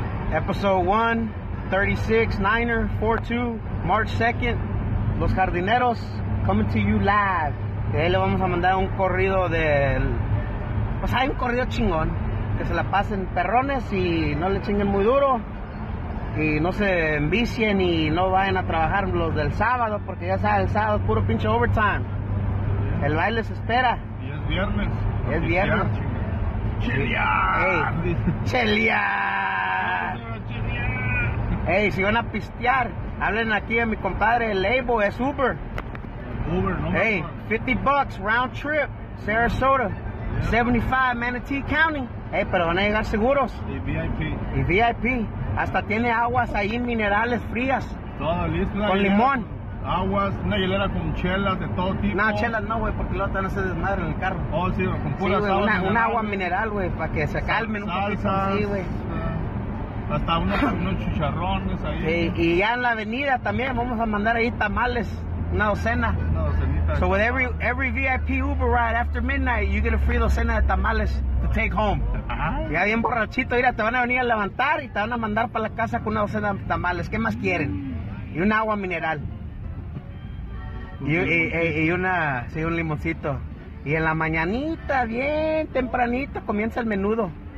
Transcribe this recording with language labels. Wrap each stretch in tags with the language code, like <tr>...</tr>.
<en>Episode 1, 36, Niner, 4-2, March 2nd, Los Jardineros, coming to you live.</en> <es>De ahí le vamos a mandar un corrido del... Pues hay un corrido chingón, que se la pasen perrones y no le chinguen muy duro. Y no se envicien y no vayan a trabajar los del sábado, porque ya saben, el sábado es puro pinche overtime. El baile se espera. Y es viernes. Es viernes. Chelear. Hey. Chelear. Hey, si van a pistear, hablen aquí a mi compadre, el label es Uber. Uber, no.</es> <en>Hey, $50 round trip, Sarasota. Yeah.</en> <es>75 Manatee County. Hey, pero van a llegar seguros. Y VIP. Y VIP. Hasta tiene aguas ahí, minerales frías. Todo listo. Con limón. Aguas, una hielera con chelas de todo tipo. No, chelas no, güey, porque luego te van a hacer desmadre en el carro. Oh, sí, con pura sí, sal. Un agua mineral, güey, para que se calmen salsas, un poquito. Sí, güey. Hasta unos chicharrones ahí. Sí, y ya en la avenida también vamos a mandar ahí tamales, una docena. Una docenita.</es> <en>So with every VIP Uber ride after midnight, you get a free</en> <es>docena de tamales</es> <en>to take home. Ay.</en> <es>Ya bien borrachito, mira, te van a venir a levantar y te van a mandar para la casa con una docena de tamales. ¿Qué más quieren? Y un agua mineral. Y una, sí, un limoncito. Y en la mañanita, bien tempranito, comienza el menudo.</es>